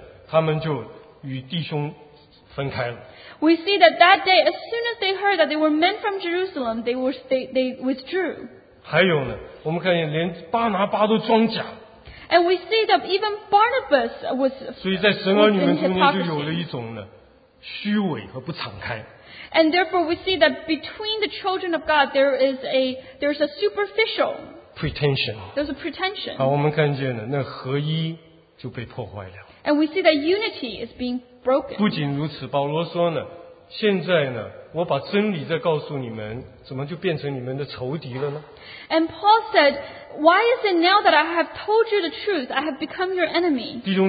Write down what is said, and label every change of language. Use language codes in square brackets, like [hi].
[zh] 我们看见了,那一天,他们一听见耶路撒冷来的人了,他们就与弟兄分开了。 [en] We see that that day, as soon as they heard that they were men from Jerusalem, they withdrew. [zh] 还有呢,我们看见连巴拿巴都装甲。 [en] And we see that even Barnabas was [zh] 所以在神儿女们中间就有了一种呢,虚伪和不敞开。 [en] And therefore, we see that between the children of God, there's a superficial pretension. There's a pretension. [zh] 好，我们看见了，那合一就被破坏了。 [en] And we see that unity is being broken. [zh] 不仅如此，保罗说呢，现在呢，我把真理再告诉你们，怎么就变成你们的仇敌了呢？ [en] And Paul said, "Why is it now that I have told you the truth, I have become your enemy?"